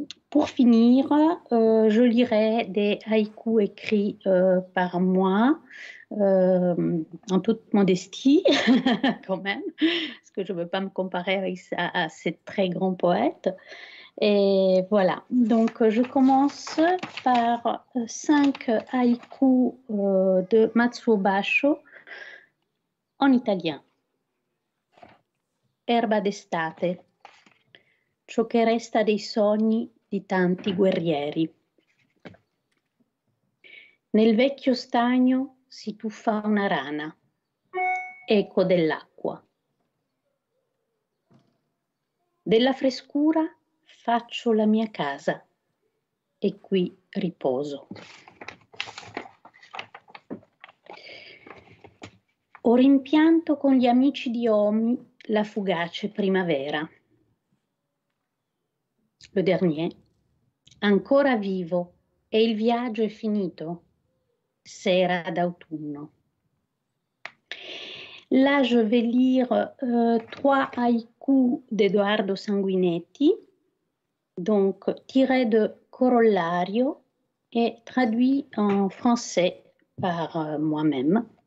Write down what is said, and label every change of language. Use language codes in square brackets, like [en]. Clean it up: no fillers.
[fr] Pour finir, je lirai des haïkus écrits par moi, en toute modestie, quand même, parce que je ne veux pas me comparer à ces très grands poètes. Et voilà, donc je commence par 5 haïkus de Matsuo Basho en italien. [it] Erba d'estate. Ciò che resta dei sogni di tanti guerrieri. Nel vecchio stagno si tuffa una rana, eco dell'acqua. Della frescura faccio la mia casa e qui riposo. Ho rimpianto con gli amici di Omi la fugace primavera. [fr] Le dernier, [it] ancora vivo e il viaggio è finito, sera d'autunno. [fr] Là, je vais lire 3 haïkus d'Eduardo Sanguinetti, donc tiré de corollario et traduit en français par moi-même.